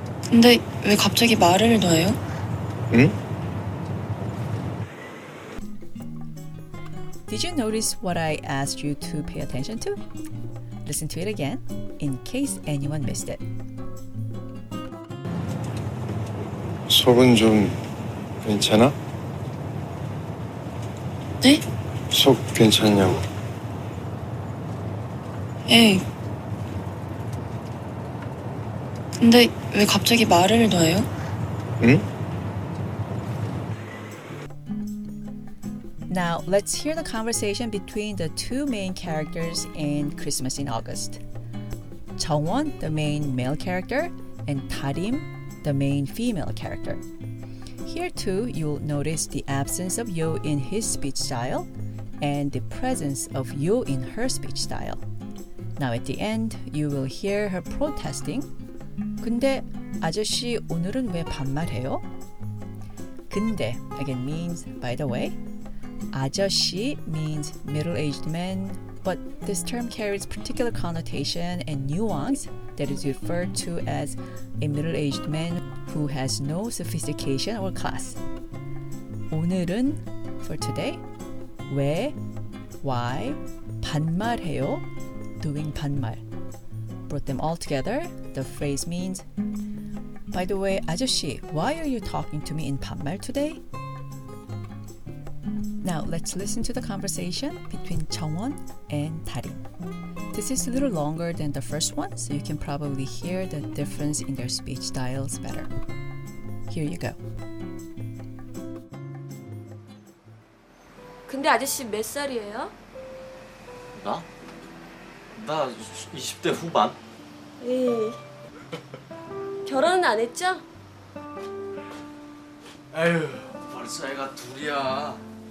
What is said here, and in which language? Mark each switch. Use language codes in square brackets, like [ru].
[ko] 근데 왜 갑자기 말을 놔요? 응? [en] Did you notice what I asked you to pay attention to? Listen to it again, in case anyone missed it. [ko] 속은 좀 괜찮아? 네? 속 괜찮냐고. 에이, 근데 왜 갑자기 말을 놔요? 응? [en] Now, let's hear the conversation between the two main characters in Christmas in August. 정원, the main male character, and 다림, the main female character. Here too, you'll notice the absence of 요 in his speech style and the presence of 요 in her speech style. Now at the end, you will hear her protesting. [ko] 근데 아저씨 오늘은 왜 반말해요? [en] 근데 again means by the way. 아저씨 means middle-aged man, but this term carries particular connotation and nuance that is referred to as a middle-aged man who has no sophistication or class. 오늘은 for today. 왜? Why? 반말해요? Doing 반말. Brought them all together, the phrase means, by the way, 아저씨, why are you talking to me in 반말 today? Now, let's listen to the conversation between 정원 and 다림. This is a little longer than the first one, so you can probably hear the difference in their speech styles better. Here you go. [ko] 근데 아저씨 몇 살이에요? 나? 나 20대 후반? 에이, 결혼은 안 했죠? 에휴, 벌써 애가 둘이야.